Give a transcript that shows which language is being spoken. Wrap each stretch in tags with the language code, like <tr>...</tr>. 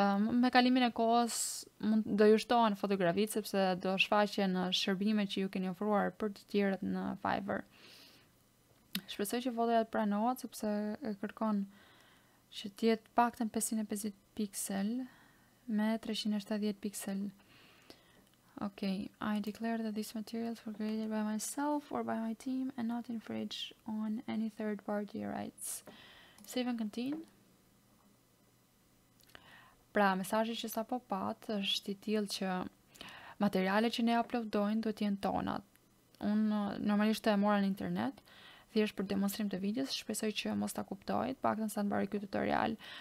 <sq>Me kalimin e kohës mund do ju shtohen fotografitë sepse do shfaqen shërbimet që ju keni ofruar për të tjerët në Fiverr. Shpresoj që fotoja të pranohet sepse e kërkon që të jetë paktën 550 piksel me 370 piksel.</sq> <en>Okay, I declare that these materials were created by myself or by my team and not infringed on any third party rights. Save and continue.</en> <sq>Pra, mesazhi që sapo pat është i tillë që materialet që ne uploadojnë duhet të jenë tona. Unë normalisht e mora në internet. Thjesht për demonstrim të videos, shpresoj që mos ta kuptojit, pak të nësa në bari këtë tutorial.</sq>